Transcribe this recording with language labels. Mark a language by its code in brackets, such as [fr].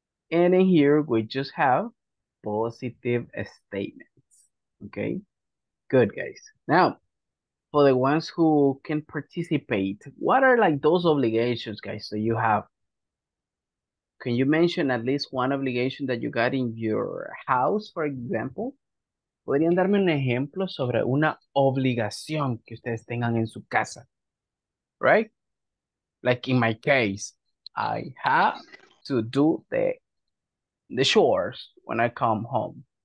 [en] And in here, we just have positive statements, okay? Good, guys. Now, for the ones who can participate, what are like those obligations, guys, that you have? Can you mention at least one obligation that you got in your house, for example? [es] ¿Podrían darme un ejemplo sobre una obligación que ustedes tengan en su casa? [en] Right? Like in my case, I have to do the chores when I come home.